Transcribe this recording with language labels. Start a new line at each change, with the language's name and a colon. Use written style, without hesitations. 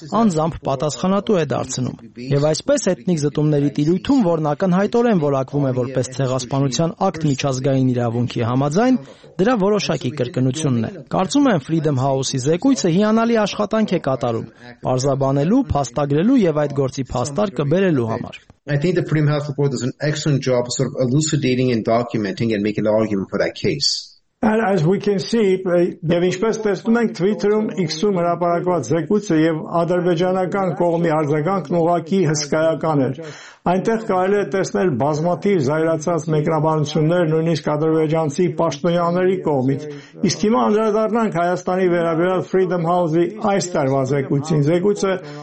Armenian: անձամբ պատասխանատու է դարձնում։ Եվ այսպես էթնիկ զտումների տիրույթում, որն ակնհայտորեն որակվում է որպես ցեղասպանության ակտ միջազգային իրավունքի համաձայն, դրա որոշակի կրկնությունն է։ Կարծում եմ, Freedom House-ի զեկույցը հիանալի աշխատանք է կատարում՝ պարզաբանելու, փաստագրելու և այդ գործի փաստարկը բերելու համար։
English: I think the Freedom House report does an excellent job sort of elucidating and documenting and making an argument for that case. And as we can see,
Armenian: ինչպես տեսնում ենք Twitter-ում X-ում հրապարակված զեկույցը եւ ադրբեջանական կողմի արձագանքն ուղղակի հսկայական էր։ Այնտեղ կարելի է տեսնել բազմաթիվ զայրացած մեկնաբանություններ նույնիսկ ադրբեջանցի պաշտոնյաների կողմից։ Իսկ հիմա անդրադառնանք Հայաստանի վերաբերյալ Freedom House-ի այս տարվա զեկույցին։ Զեկույցը